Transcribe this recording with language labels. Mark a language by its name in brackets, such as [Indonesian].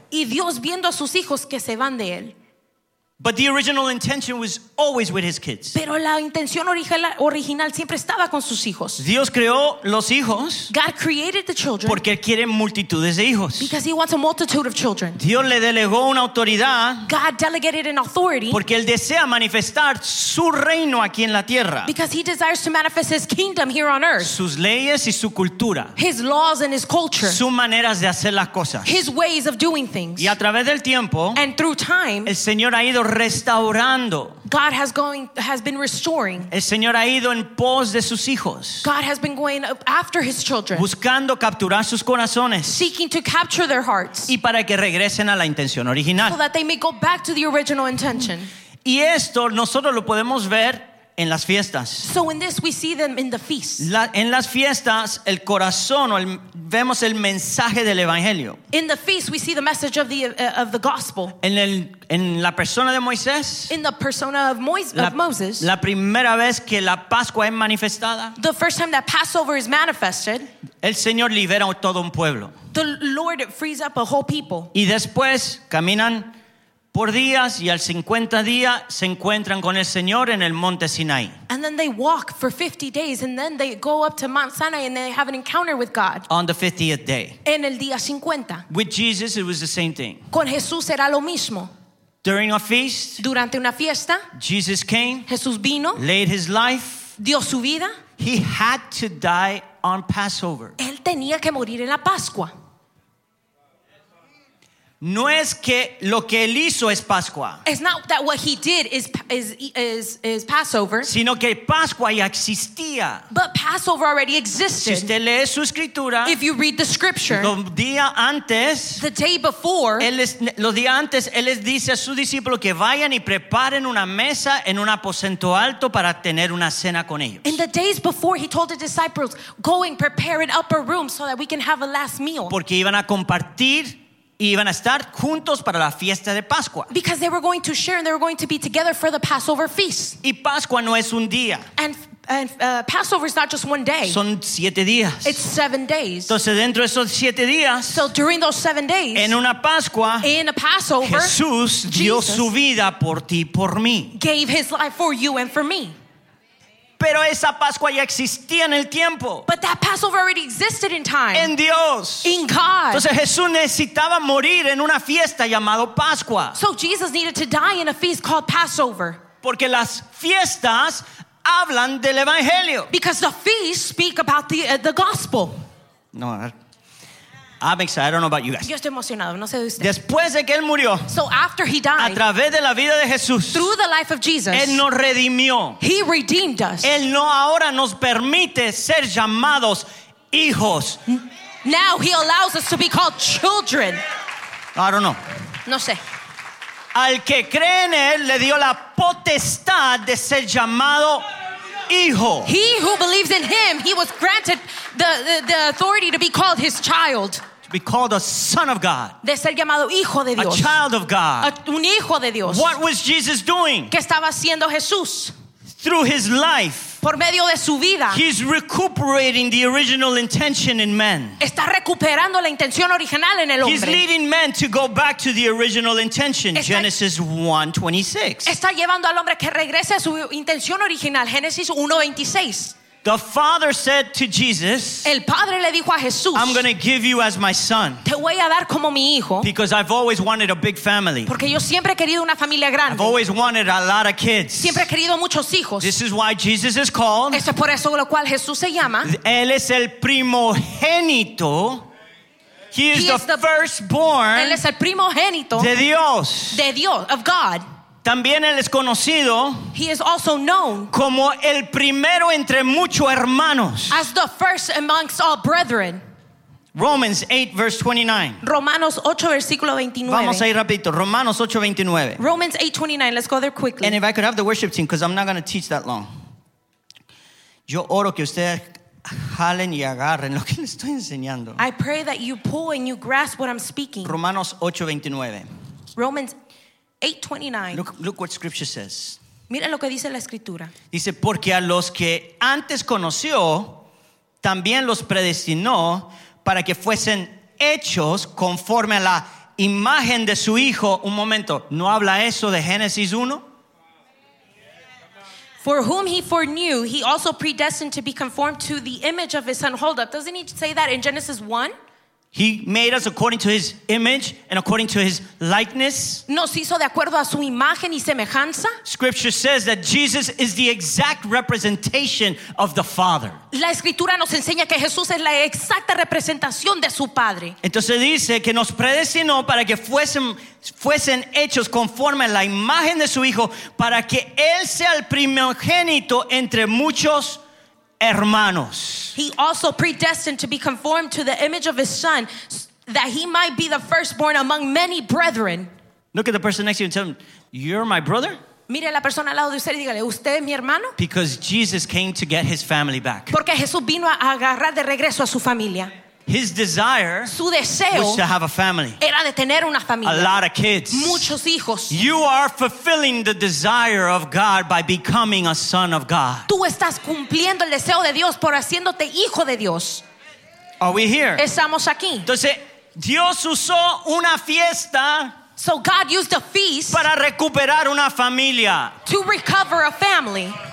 [Spanish] Y Dios viendo a sus hijos que se van de él. [English] But the original intention was always with his kids. [Spanish] Pero la intención original siempre estaba con sus hijos. Dios creó los hijos. [English] God created the children. [Spanish] Porque quiere multitudes de hijos. [English] Because he wants a multitude of children. [Spanish] Dios le delegó una autoridad. [English] God delegated an authority. [Spanish] Porque él desea manifestar su reino aquí en la tierra. [English] Because he desires to manifest his kingdom here on earth. [Spanish] Sus leyes y su cultura. [English] His laws and his culture. [Spanish] Sus maneras de hacer las cosas. [English] His ways of doing things. [Spanish] Y a través del tiempo. [English] And through time. [Spanish] El Señor ha ido restaurando. [English] God has been restoring. [Spanish] El Señor ha ido en pos de sus hijos. [English] God has been going after his children. [Spanish] Buscando capturar sus corazones. [English] Seeking to capture their hearts. [Spanish] Y para que regresen a la intención original. [English] So that they may go back to the original intention. [Spanish] Y esto nosotros lo podemos ver en las fiestas. [English] So in this we see them in the feast. [Spanish] En las fiestas el corazón o vemos el mensaje del evangelio. [English] In the feast we see the message of the gospel. [Spanish] En la persona de Moisés. [English] In the persona of Moses. [Spanish] La primera vez que la Pascua es manifestada. [English] The first time that Passover is manifested. [Spanish] El Señor libera a todo un pueblo. [English] The Lord frees up a whole people. [Spanish] Y después caminan por días y al 50 día se encuentran con el Señor en el monte Sinai. [English] And then they walk for 50 days and then they go up to Mount Sinai and they have an encounter with God. On the 50th day. [Spanish] En el día 50. [English] With Jesus it was the same thing. [Spanish] Con Jesús era lo mismo. [English] During a feast. [Spanish] Durante una fiesta. [English] Jesus came. [Spanish] Jesús vino. [English] Laid his life. [Spanish] Dio su vida. [English] He had to die on Passover. [Spanish] Él tenía que morir en la Pascua. No es que lo que él hizo es Pascua. [English] It's not that what he did is Passover. [Spanish] Sino que Pascua ya existía. [English] But Passover already existed. [Spanish] Si usted lee su escritura, [English] if you read the scripture, [Spanish] los días antes, [English] the day before, [Spanish] los días antes, él les dice a sus discípulos que vayan y preparen una mesa en un aposento alto para tener una cena con ellos. [English] In the days before, he told the disciples, go and prepare an upper room so that we can have a last meal. [Spanish] Porque iban a compartir. Y iban a estar juntos para la fiesta de Pascua. [English] Because they were going to share and they were going to be together for the Passover feast. [Spanish] Y Pascua no es un día. [English] Passover is not just one day. [Spanish] Son siete días. [English] It's 7 days. [Spanish] Entonces dentro de esos siete días. [English] So during those 7 days. [Spanish] En una Pascua. [English] In a Passover. [Spanish] Jesús dio su vida por ti y por mí. [English] Gave his life for you and for me. [Spanish] Pero esa Pascua ya existía en el tiempo. [English] But that Passover already existed in time. [Spanish] En Dios. [English] In God. [Spanish] Entonces Jesús necesitaba morir en una fiesta llamado Pascua. [English] So Jesus needed to die in a feast called Passover. [Spanish] Porque las fiestas hablan del evangelio. [English] Because the feasts speak about the gospel. [Spanish] No. [English] I'm excited. I don't know about you guys. [Spanish] Yo estoy emocionado. No sé de usted. Después de que él murió, [English] so after he died, [Spanish] a través de la vida de Jesús, [English] through the life of Jesus, [Spanish] él nos redimió. [English] He redeemed us. [Spanish] Él no ahora nos permite ser llamados hijos. [English] Now he allows us to be called children. I don't know. [Spanish] No sé. Al que cree en él le dio la potestad de ser llamado hijo. [English] He who believes in him, he was granted the authority to be called his child. To be called a son of God. [Spanish] De ser llamado hijo de Dios. [English] A child of God. [Spanish] Un hijo de Dios. [English] What was Jesus doing? [Spanish] ¿Qué estaba haciendo Jesús? [English] Through his life. [Spanish] Por medio de su vida. [English] He's recuperating the original intention in men. [Spanish] Está recuperando la intención original en el hombre. [English] He's leading men to go back to the original intention. Genesis 1:26. [Spanish] Está llevando al hombre que regrese a su intención original. Génesis 1:26. [English] The Father said to Jesus, [Spanish] el padre le dijo a Jesús, [English] I'm going to give you as my son. [Spanish] Te voy a dar como mi hijo. [English] Because I've always wanted a big family. [Spanish] Porque yo siempre he querido una familia grande. [English] I've always wanted a lot of kids. [Spanish] Siempre he querido muchos hijos. [English] This is why Jesus is called. [Spanish] Eso es por eso lo cual Jesús se llama. Él es el primogénito. [English] He is the firstborn. [Spanish] Él es el primogénito. De Dios. De Dios, [English] of God. [Spanish] También él es conocido, [English] he is also known, [Spanish] como el primero entre muchos hermanos, [English] as the first amongst all brethren. Romans 8 verse 29. [Spanish] Romanos 8 versículo 29. Vamos a ir rapidito. Romanos 8 29. [English] Romans 8 29. Let's go there quickly. And if I could have the worship team, because I'm not going to teach that long. [Spanish] Yo oro que ustedes jalen y agarren lo que les estoy enseñando. [English] I pray that you pull and you grasp what I'm speaking. [Spanish] Romanos 8 29. [English] Romans 8:29. Look what scripture says. [Spanish] Mira lo que dice la escritura. Dice, porque a los que antes conoció, también los predestinó para que fuesen hechos conforme a la imagen de su hijo. Un momento, ¿no habla eso de Génesis 1? [English] For whom he foreknew, he also predestined to be conformed to the image of his son. Hold up, doesn't he say that in Genesis 1? He made us according to his image and according to his likeness. [Spanish] Nos hizo de acuerdo a su imagen y semejanza. [English] Scripture says that Jesus is the exact representation of the Father. [Spanish] La escritura nos enseña que Jesús es la exacta representación de su Padre. Entonces dice que nos predestinó para que fuesen hechos conforme a la imagen de su Hijo, para que Él sea el primogénito entre muchos hermanos. [English] He also predestined to be conformed to the image of his son, that he might be the firstborn among many brethren. Look at the person next to you and tell him, you're my brother? [Spanish] Mire la persona al lado de usted y dígale, ¿usted es mi hermano? [English] Because Jesus came to get his family back. [Spanish] Porque Jesús vino a agarrar de regreso a su familia. [English] His desire [Spanish] su deseo [English] was to have a family. [Spanish] Era de tener una familia. [English] A lot of kids. [Spanish] Muchos hijos. [English] You are fulfilling the desire of God by becoming a son of God. [Spanish] Tú estás cumpliendo el deseo de Dios por haciéndote hijo de Dios. [English] Are we here? [Spanish] Estamos aquí. Entonces, Dios usó una fiesta. [English] So God used a feast [Spanish] para recuperar una familia. [English] To recover a family.